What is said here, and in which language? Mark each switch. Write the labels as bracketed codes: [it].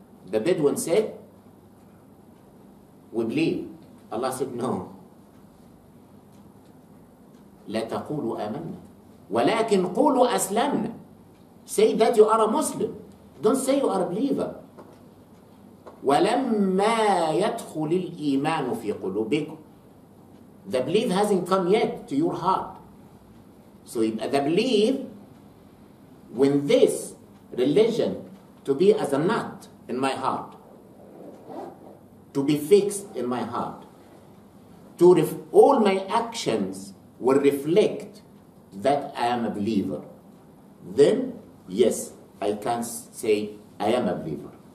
[en] The Bedouin said, we believe. Allah said, no. [ar] لا تقولوا آمنا. ولكن قولوا أسلمنا. [en] Say that you are a Muslim. Don't say you are a believer. [ar] ولما يدخل الإيمان في قلوبكم. [en] The belief hasn't come yet to your heart. So the belief, when this religion to be as a nut in my heart, to be fixed in my heart, to all my actions will reflect that I am a believer, then yes, I can say I am a believer.